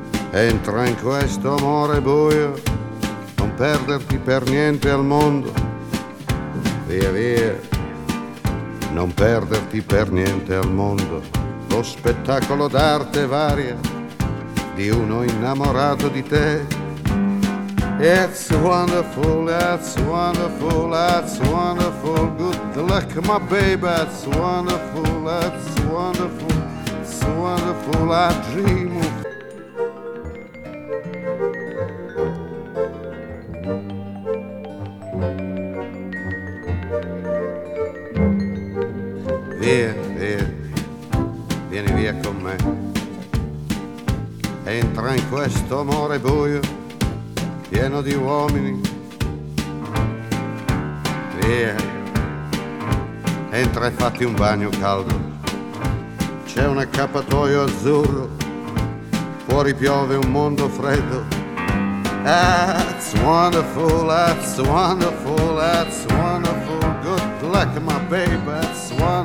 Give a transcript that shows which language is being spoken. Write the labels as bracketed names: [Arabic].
[Italian] Entra in questo amore buio, non perderti per niente al mondo. Via, via, non perderti per niente al mondo. Lo spettacolo d'arte varia di uno innamorato di te. [English] It's wonderful, that's wonderful, that's wonderful. Good luck, my baby, that's wonderful, that's wonderful. It's wonderful, I dream of. [Italian] Via, via, vieni via con me. Entra in questo amore buio, pieno di uomini. Via, entra e fatti un bagno caldo. C'è un accappatoio azzurro, fuori piove un mondo freddo. [English] That's wonderful, that's wonderful, that's wonderful. Good luck, my baby, that's wonderful.